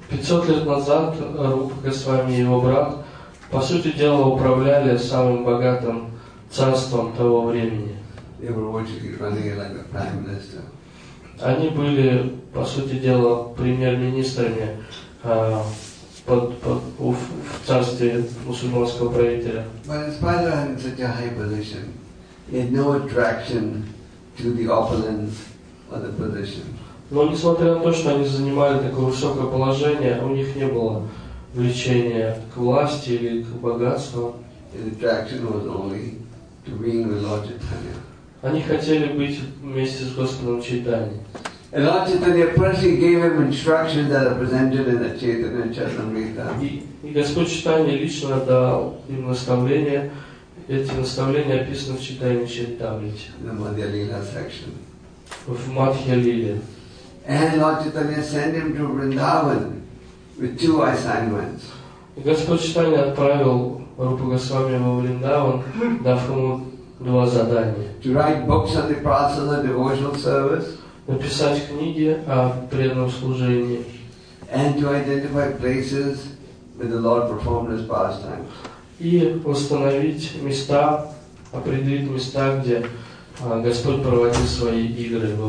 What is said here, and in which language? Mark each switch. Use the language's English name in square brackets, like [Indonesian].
[Russian] 500 лет назад Rupa Goswami и его брат, по сути дела, управляли самым богатым царством того времени. [English] They were virtually running like the prime minister. [Russian] Они были, по сути дела, премьер-министрами в царстве мусульманского правителя. [English] But his father had such a high position, he had no attraction to the opulence of the position. [Russian] Но несмотря на то, что они занимали такое высокое положение, у них не было влечения к власти или к богатству. [English] His attraction was only to being with Lord Chaitanya. [Russian] Они хотели быть вместе с Господом Чайтаньей. [English] And Lord Chaitanya personally gave him instructions that are presented in the Chaitanya Charitamrita. [Russian] И Господь Чайтанья лично дал им наставления. Эти наставления описаны в Чайтанья Чаритамрите. [English] The Madhya Lila section. [Russian] В Мадхья Лиле. [English] And Lord Chaitanya sent him to Vrindavan with two assignments. [Russian] Господь Чайтанья отправил Рупа Госвами во Вриндаван, дав ему два задания. [English] To write books on the process of devotional service. [Russian] Написать книги о преданном служении. [English] And to identify places where the Lord performed his pastimes. [Russian] И установить места, определились там, где Господь проводил свои игры во